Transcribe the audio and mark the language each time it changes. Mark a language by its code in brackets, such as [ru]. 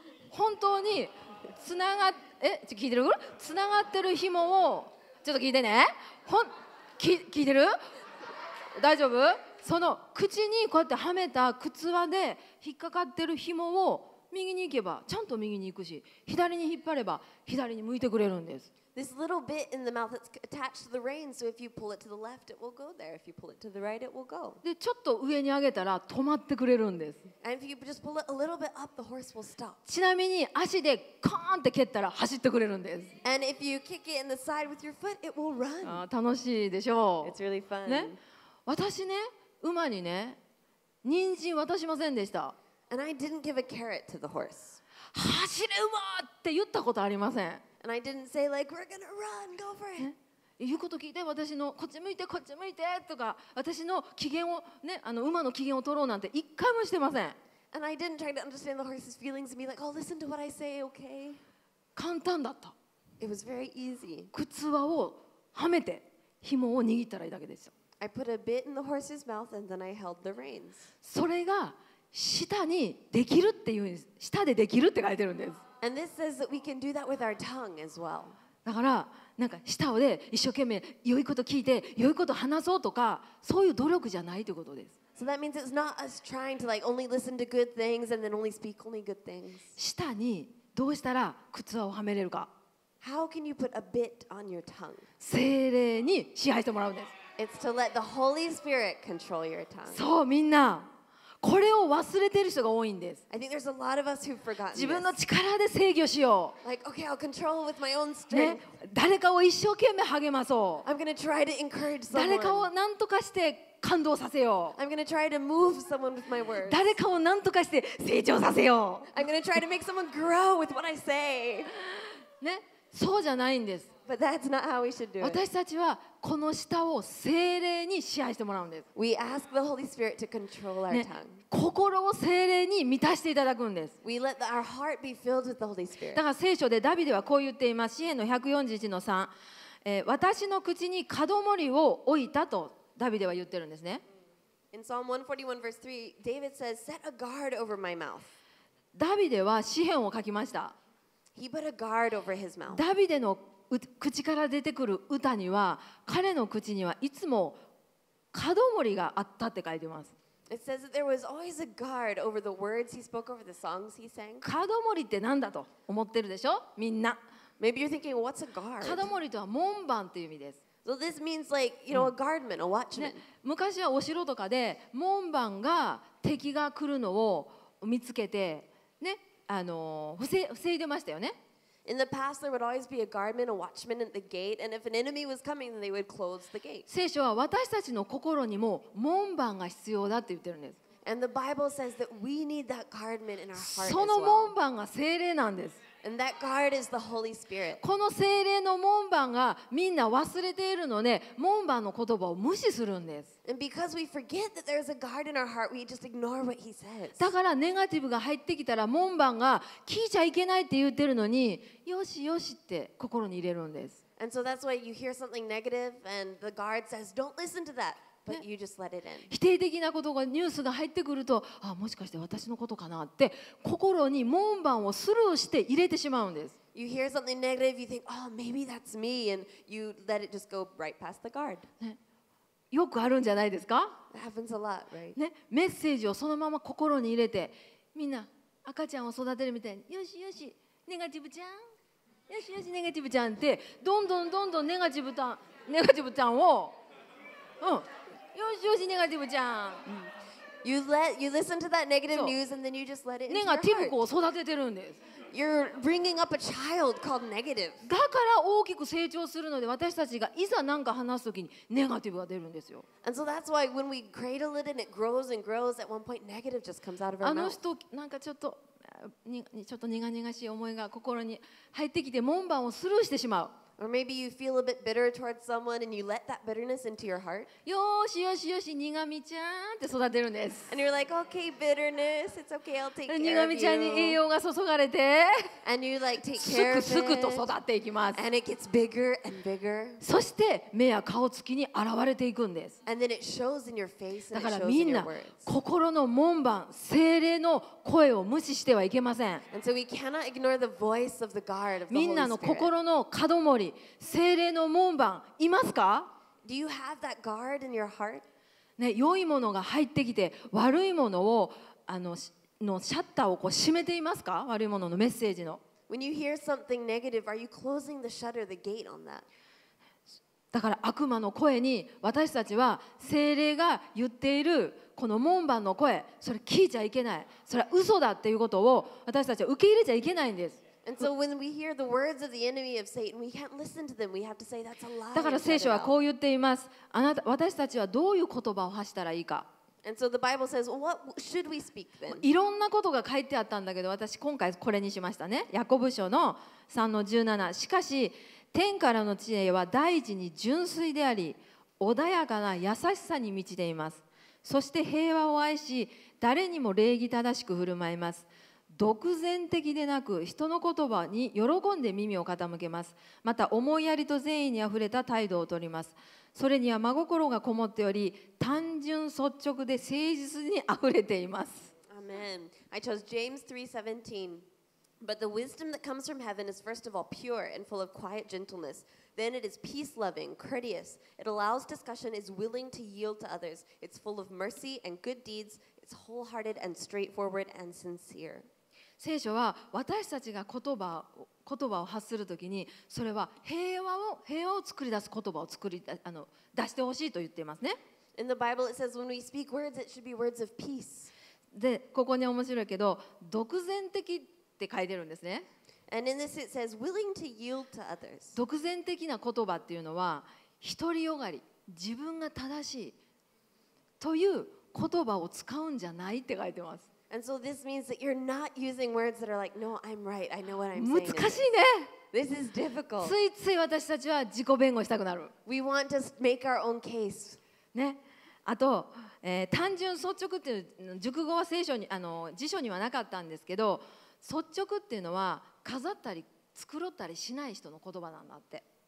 [ja] 本当につながっ、え、ちょ、聞いてる？つながってる紐をちょっと聞いてね。聞いてる？大丈夫？その口にこうやってはめた靴輪で引っかかってる紐を右に行けばちゃんと右に行くし、左に引っ張れば左に向いてくれるんです。 [en] This little bit in the mouth that's attached to the rein, so if you pull it to the left, it will go there. If you pull it to the right, it will go. [ja] で、ちょっと上に上げたら止まってくれるんです。 [en] And if you just pull it a little bit up, the horse will stop. [ja] ちなみに足でコーンって蹴ったら走ってくれるんです。 [en] And if you kick it in the side with your foot, it will run. [ja] あ、楽しいでしょう。 [en] It's really fun. [ja] ね、私ね、馬にね、人参渡しませんでした。 [en] And I didn't give a carrot to the horse. [ja] 走れ馬って言ったことありません。 [en] And I didn't say like we're gonna run, go for it. [ja] 言うこと聞いて、私のこっち向いてこっち向いてとか、私の機嫌をね、あの馬の機嫌を取ろうなんて一回もしてません。 [en] And I didn't try to understand the horse's feelings and be like, oh, listen to what I say, okay? [ja] 簡単だった。 [en] It was very easy. [ja] 靴輪をはめて紐を握ったらいいだけですよ。 [en] I put a bit in the horse's mouth and then I held the reins. [ja] それが舌にできるっていう、舌でできるって書いてるんです。 [en] And this says that we can do that with our tongue as well. [ja] だからなんか舌をで一生懸命良いこと聞いて良いこと話そうとかそういう努力じゃないということです。 [en] So that means it's not us trying to like only listen to good things and then only speak only good things. [ja] 舌にどうしたら靴輪をはめれるか。 [en] How can you put a bit on your tongue? [ja] 聖霊に支配してもらうんです。 [en] It's to let the Holy Spirit control your tongue. [ja] そう、みんな。これを忘れてる人が多いんです。 [en] I think there's a lot of us who've forgotten. [ja] 自分の力で制御しよう。 [en] Like, okay, I'll control with my own strength. [ja] 誰かを一生懸命励まそう。 [en] I'm gonna try to encourage someone. [ja] 誰かを何とかして感動させよう。 [en] I'm gonna try to move someone with my words. [ja] 誰かを何とかして成長させよう。 [en] I'm gonna try to make someone grow with what I say. [ja] ね、そうじゃないんです。 [en] But that's not how we should do it. [ja] 私たちはこの舌を聖霊に支配してもらうんです。 [en] We ask the Holy Spirit to control our tongue. [ja] 心を聖霊に満たしていただくんです。 [en] We let our heart be filled with the Holy Spirit. [ja] だから聖書でダビデはこう言っています。詩編の141の3、私の口に門守を置いたとダビデは言ってるんですね。 [en] In Psalm 141 verse 3, David says, "Set a guard over my mouth." [ja] ダビデは詩編を書きました。 [en] He put a guard over his mouth. [ja] ダビデの口から出てくる歌には彼の口にはいつも門守があったって書いてます。 [en] It says that there was always a guard over the words he spoke over the songs he sang. [ja] 門守ってなんだと思ってるでしょみんな。 [en] Maybe you're thinking, what's a guard? [ja] 門守とは門番という意味です。 [en] So this means like, you know, a guardman, a watchman. [ja] 昔はお城とかで門番が敵が来るのを見つけてね、防いでましたよね。 [en] In the past, there would always be a guardman, a watchman at the gate, and if an enemy was coming, they would close the gate. [ja] 聖書は私たちの心にも門番が必要だって言ってるんです。 [en] And the Bible says that we need that guardman in our heart as well. [ja] その門番が聖霊なんです。 [en] And that guard is the Holy Spirit. [ja] この聖霊の門番がみんな忘れているので、門番の言葉を無視するんです。 [en] And because we forget that there's a guard in our heart, we just ignore what he says. [ja] だからネガティブが入ってきたら門番が聞いちゃいけないって言ってるのに、よしよしって心に入れるんです。 [en] And so that's why you hear something negative and the guard says, don't listen to that. But you just let it in. [ja] 否定的なことがニュースが入ってくると、あ、もしかして私のことかなって心に門番をスルーして入れてしまうんです。 [en] You hear something negative, you think, oh, maybe that's me, and you let it just go right past the guard. [ja] ね、よくあるんじゃないですか？ [en] It happens a lot, right? [ja] ね、メッセージをそのまま心に入れて、みんな赤ちゃんを育てるみたいに、よしよし、ネガティブちゃん、よしよし、ネガティブちゃんってどんどんどんどんネガティブちゃんを、うん。よしよしネガティブちゃん。 [en] You let you listen to that negative news and then you just let it into your heart. [ja] ネガティブ子を育ててるんです。 [en] You're bringing up a child called negative. [ja] だから大きく成長するので私たちがいざ何か話すときにネガティブが出るんですよ。 [en] And so that's why when we cradle it and it grows and grows, at one point negative just comes out of our mouth. [ja] あの人なんかちょっと苦々しい思いが心に入ってきて門番をスルーしてしまう。 [en] Or maybe you feel a bit bitter towards someone and you let that bitterness into your heart. [ja] よしよしよし、苦味ちゃんって育てるんです。 [en] And you're like, okay, bitterness, it's okay, I'll take care of you. [ja] 苦味ちゃんに栄養が注がれて、 [en] And you like take care of it. [ja] すくすくと育っていきます。 [en] And it gets bigger and bigger. [ja] そして目や顔つきに現れていくんです。 [en] And then it shows in your face and it shows in your words. [ja] だからみんな心の門番、精霊の声を無視してはいけません。 [en] And so we cannot ignore the voice of the guard of the Holy Spirit. [ja] みんなの心の門守聖霊の門番いますか？ [en] Do you have that guard in your heart? [ja] ね、良いものが入ってきて悪いものをのシャッターをこう閉めていますか？悪いもののメッセージの。 [en] When you hear something negative, are you closing the shutter, the gate on that? [ja] だから悪魔の声に私たちは聖霊が言っているこの門番の声、それ聞いちゃいけない。それは嘘だっていうことを私たちは受け入れちゃいけないんです。 [en] And so when we hear the words of the enemy of Satan, we can't listen to them. We have to say that's a lie. [ja] だから聖書はこう言っています。あなた、私たちはどういう言葉を発したらいいか。 [en] And so the Bible says, what should we speak then? [ja] いろんなことが書いてあったんだけど、私今回これにしましたね。ヤコブ書の3-17。しかし天からの知恵は大地に純粋であり、穏やかな優しさに満ちています。そして平和を愛し、誰にも礼儀正しく振る舞います。独善的でなく人の言葉に喜んで耳を傾けます。また思いやりと善意にあふれた態度をとります。それには真心がこもっており、単純率直で誠実にあふれています。 [en] Amen. I chose James 3:17. But the wisdom that comes from heaven is first of all pure and full of quiet gentleness. Then it is peace loving, courteous. It allows discussion, is willing to yield to others. It's full of mercy and good deeds. It's wholehearted and straightforward and sincere. [ja] 聖書は私たちが言葉を発するときに、それは平和を作り出す言葉を出してほしいと言っていますね。 [en] In the Bible it says when we speak words it should be words of peace. [ja] で、ここに面白いけど独善的って書いてるんですね。 [en] And in this it says willing to yield to others. [ja] 独善的な言葉っていうのは独りよがり、自分が正しいという言葉を使うんじゃないって書いてます。 [en] And so this means that you're not using words that are like, no, I'm right. I know what I'm saying. [ja] 難しいね。 [en] This is difficult. [ja] ついつい私たちは自己弁護したくなる。 [en] We want to make our own case. [ja] ね。あと、単純率直っていう熟語は聖書に辞書にはなかったんですけど、率直っていうのは飾ったり繕ったりしない人の言葉なんだって。